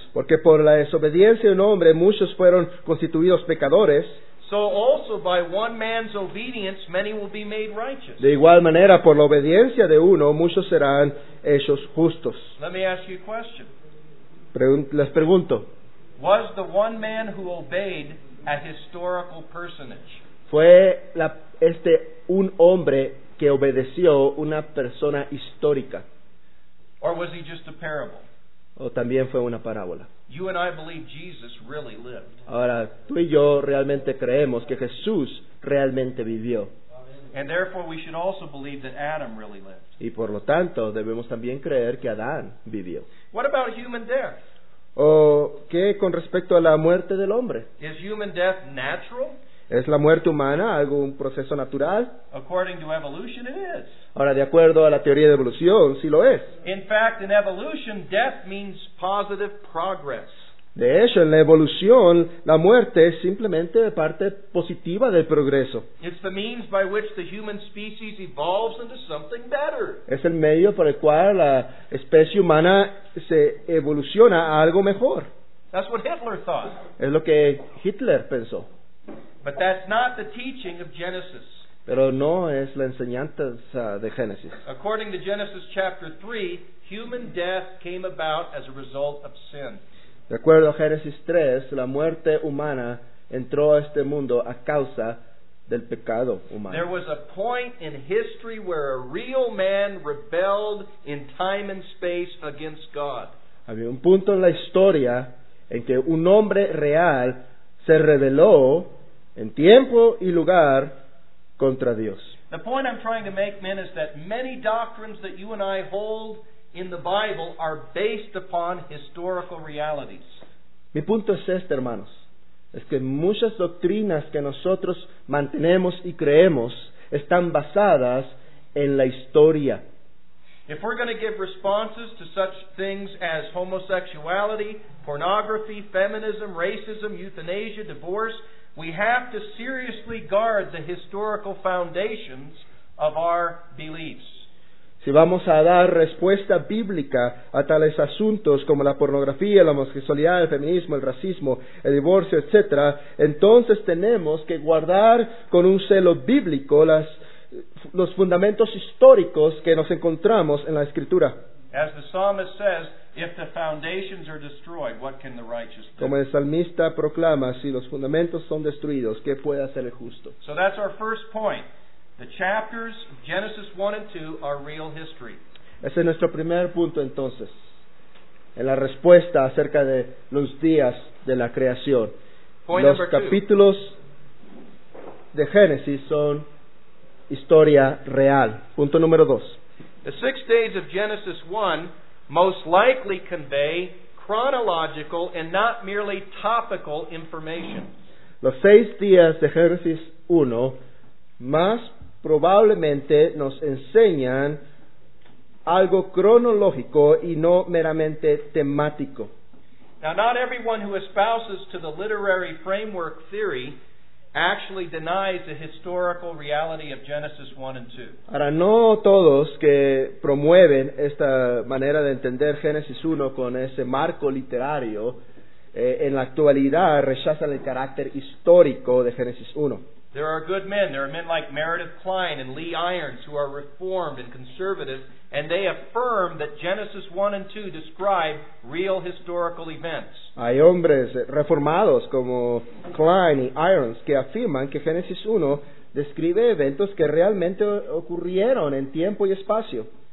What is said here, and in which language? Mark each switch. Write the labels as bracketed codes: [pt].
[es] Porque por la desobediencia de un hombre muchos fueron constituidos pecadores. [en] So also by one man's obedience many will be made righteous. [es] De igual manera, por la obediencia de uno muchos serán hechos justos. [en] Let me ask you a question. [es] Les pregunto. [en] Was the one man who obeyed a historical personage? [es] Fue este un hombre que obedeció una persona histórica. [en] Or was he just a parable? [es] O también fue una parábola. [en] You and I believe Jesus really lived. [es] Ahora, tú y yo realmente creemos que Jesús realmente vivió. [en] And therefore we should also believe that Adam really lived. [es] Y por lo tanto, debemos también creer que Adán vivió. [en] What about human death? [es] ¿O qué con respecto a la muerte del hombre? [en] Is human death natural? [es] ¿Es la muerte humana algún proceso natural? [en] According to evolution, it is. [es] Ahora, de acuerdo a la teoría de evolución, sí lo es. [en] In fact, in evolution, death means positive progress. [es] De hecho, en la evolución, la muerte es simplemente parte positiva del progreso. [en] It's the means by which the human species evolves into something better. [es] Es el medio por el cual la especie humana se evoluciona a algo mejor. [en] That's what Hitler thought. [es] Es lo que Hitler pensó. [en] But that's not the teaching of Genesis. [es] Pero no es la enseñanza de Génesis. [en] According to Genesis chapter 3, human death came about as a result of sin. [es] De acuerdo a Génesis 3, la muerte humana entró a este mundo a causa del pecado humano. [en] There was a point in history where a real man rebelled in time and space against God. [es] Había un punto en la historia en que un hombre real se rebeló en tiempo y lugar contra Dios. [en] The point I'm trying to make, men, is that many doctrines that you and I hold in the Bible are based upon historical realities. [es] Mi punto es este, hermanos. Es que muchas doctrinas que nosotros mantenemos y creemos están basadas en la historia. [en] If we're going to give responses to such things as homosexuality, pornography, feminism, racism, euthanasia, divorce, we have to seriously guard the historical foundations of our beliefs. [es] Si vamos a dar respuesta bíblica a tales asuntos como la pornografía, la homosexualidad, el feminismo, el racismo, el divorcio, etc., entonces tenemos que guardar con un celo bíblico los fundamentos históricos que nos encontramos en la Escritura. [en] As the psalmist says, if the foundations are destroyed, what can the righteous do? [es] Como el salmista proclama, si los fundamentos son destruidos, ¿qué puede hacer el justo? [en] So that's our first point. The chapters of Genesis 1 and 2 are real history. [es] Ese es nuestro primer punto entonces, en la respuesta acerca de los días de la creación. [en] Point [es] los capítulos de Génesis son historia real. Punto número 2. [en] The 6 days of Genesis 1 most likely convey chronological and not merely topical information. [es] Los 6 días de Génesis 1 más probablemente nos enseñan algo cronológico y no meramente temático. [en] Now, not everyone who espouses to the literary framework theory actually denies the historical reality of Genesis 1 and 2. [es] Ahora, no todos que promueven esta manera de entender Génesis 1 con ese marco literario en la actualidad rechazan el carácter histórico de Génesis 1. [en] There are good men. There are men like Meredith Klein and Lee Irons who are reformed and conservative, and they affirm that Genesis 1 and 2 describe real historical events. [es] Hay hombres reformados como Klein y Irons que afirman que Génesis 1 describe eventos que realmente ocurrieron en tiempo y espacio.